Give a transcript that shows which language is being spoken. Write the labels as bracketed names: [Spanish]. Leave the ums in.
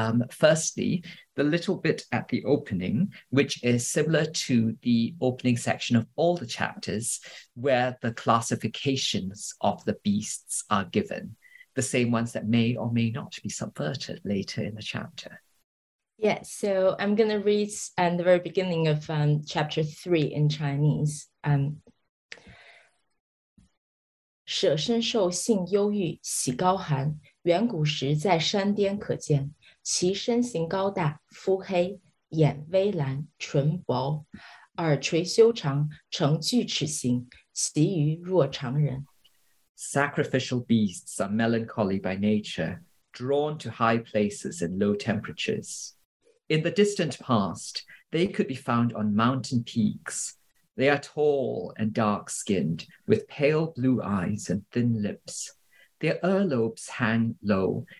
[English] firstly, the little bit at the opening, which is similar to the opening section of all the chapters, where the classifications of the beasts are given, the same ones that may or may not be subverted later in the chapter. Yeah, so I'm going to read um, the very beginning of um, chapter three in Chinese. [Chinese] Um, 舍身受性忧郁，喜高寒。远古时在山巅可见，其身形高大，肤黑，眼微蓝，唇薄，耳垂修长，呈锯齿形，其余若常人。 [English] Sacrificial beasts are melancholy by nature, drawn to high places and low temperatures. In the distant past, they could be found on mountain peaks. They are tall and dark skinned, with pale blue eyes and thin lips. Their earlobes hang low